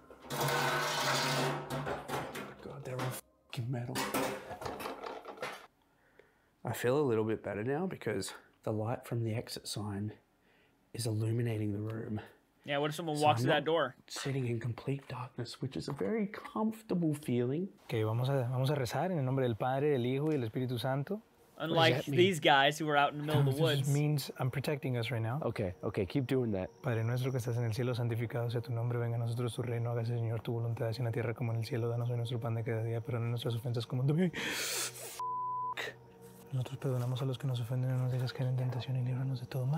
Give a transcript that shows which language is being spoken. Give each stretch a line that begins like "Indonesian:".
English: God, they're all fucking metal. I feel a little bit better now because the light from the exit sign is illuminating the room. Yeah, what if someone walks through that door? Sitting in complete darkness, which is a very comfortable feeling.
Spanish: Okay, vamos a rezar en el nombre del Padre, del Hijo y del Espíritu Santo.
English: Unlike these guys who are out in the middle of the woods. This means I'm protecting us right now. Okay, keep doing that.
Spanish: Padre nuestro que estás en el cielo, santificado sea tu nombre, venga a nosotros tu reino, hágase Señor tu voluntad, así en la tierra como en el cielo, danos hoy nuestro pan de cada día, perdona nuestras ofensas como también. F**k. Nosotros perdonamos a los que nos ofenden, no nos dejas caer en tentación y líbranos de todo mal.